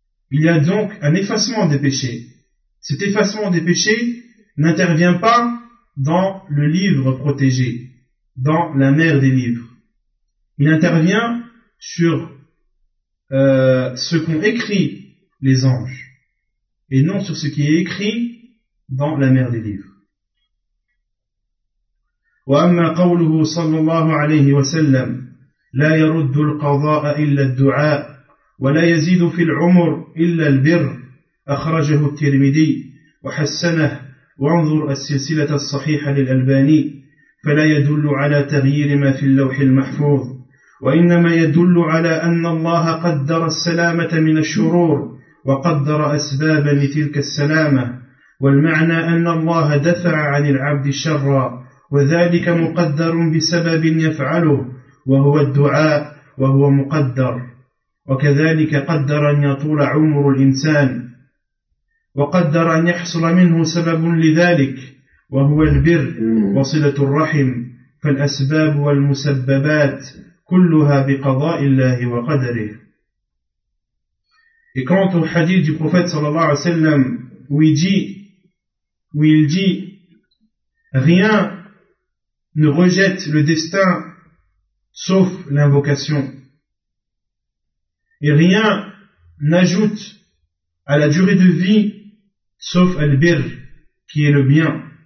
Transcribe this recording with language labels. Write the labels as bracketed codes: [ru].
[fr] Il y a donc un effacement des péchés. Cet effacement des péchés n'intervient pas dans le livre protégé, dans la mer des livres. Il intervient sur ce qu'ont écrit les anges, et non sur ce qui est écrit dans la mer des livres. [ar] وَأَمَّا قَوْلُهُ صَلَّى اللَّهُ عَلَيْهِ وَسَلَّمْ لَا يَرُدُّ الْقَضَاءَ إِلَّا الدُّعَاءَ وَلَا يَزِيدُ فِي الْعُمُرُ إِلَّا الْبِرْ أَخْرَجَهُ الترمذي وَحَسَّنَهُ وانظر السلسلة الصحيحة للألباني فلا يدل على تغيير ما في اللوح المحفوظ وإنما يدل على أن الله قدر السلامة من الشرور وقدر أسبابا لتلك السلامة والمعنى أن الله دفع عن العبد الشر وذلك مقدر بسبب يفعله وهو الدعاء وهو مقدر وكذلك قدر أن يطول عمر الإنسان وقدر أن يحصل منه سبب لذلك وهو البر وصلة الرحم فالأسباب والمسببات كلها بقضاء الله وقدره. [fr] Et quant au hadith du prophète sallallahu alayhi wa sallam où il dit rien ne rejette le destin sauf l'invocation et rien n'ajoute à la durée de vie sauf al-birr, qui est le bien.